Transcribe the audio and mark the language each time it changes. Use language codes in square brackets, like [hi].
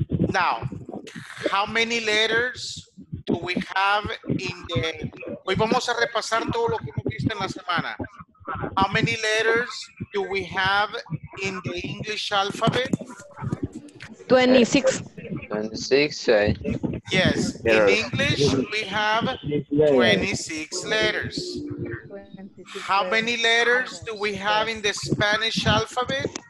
[en] Now, how many letters do we have in the... [es] Hoy vamos a repasar todo lo que hemos visto en la semana. [en] How many letters do we have in the English alphabet? 26. 26, eh? Yes, in English we have 26 letters. How many letters do we have in the Spanish alphabet?